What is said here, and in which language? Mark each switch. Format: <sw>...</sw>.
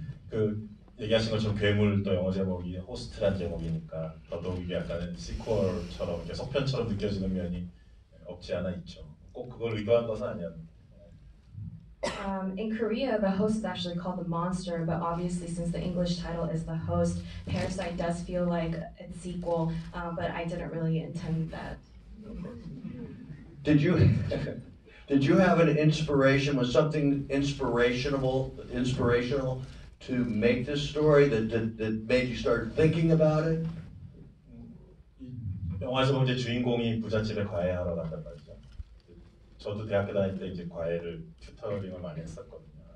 <ko>그 얘기하신 것처럼 괴물 또 영어 제목이 호스트란 제목이니까 더더욱 이게 약간 시퀄처럼 속편처럼 느껴지는 면이 없지 않아 있죠. 꼭 그걸 의도한 것은 아니었는데.</ko> <en>In Korea, the host is actually called the monster, but obviously since the English title is the host, Parasite does feel like its sequel, but I didn't really intend that. Did you have an inspiration, was something inspirational to make this story that made you start thinking about it?</en> <ko>영화에서 보면 주인공이 부잣집에 과외하러 갔단 말이죠. 저도 대학교 다닐 때 이제 과외를 튜터링을 많이 했었거든요.</ko>